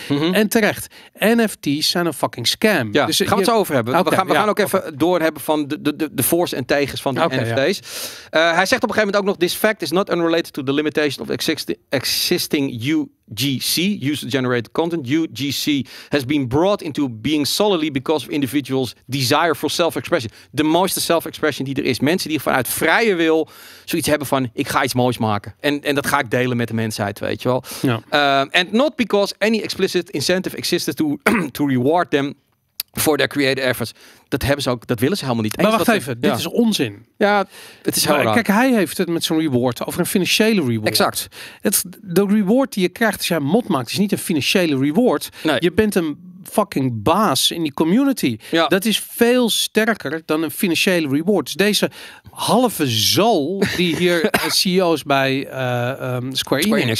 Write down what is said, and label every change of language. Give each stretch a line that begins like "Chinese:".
Dutch: Mm-hmm. En terecht. NFT's zijn een fucking scam. Ja, dus gaan we het zo over hebben. Okay, we gaan ook even doorhebben van de voor's en tegens van de NFT's. Ja. Hij zegt op een gegeven moment ook nog,
English: this fact is not unrelated to the limitation of existing UGC, user-generated content. UGC has been brought into being solely because of individuals' desire for self-expression.
Dutch: De mooiste self-expression die er is. Mensen die vanuit vrije wil zoiets hebben van, ik ga iets moois maken. En dat ga ik delen met de mensheid, weet je wel. Ja.
English: And not because any explicit incentive existed to reward them for their creative efforts.
Dutch: Dat hebben ze ook, dat willen ze helemaal niet. Maar dit is onzin. Ja, het is heel raar. Kijk, hij heeft het met zo'n reward over een financiële reward. Exact. De reward die je krijgt als je een mod maakt, is niet een financiële reward. Nee. Je bent een fucking baas in die community. Ja. Dat is veel sterker dan een financiële reward. Dus deze halve zal die hier CEO's bij Square Enix.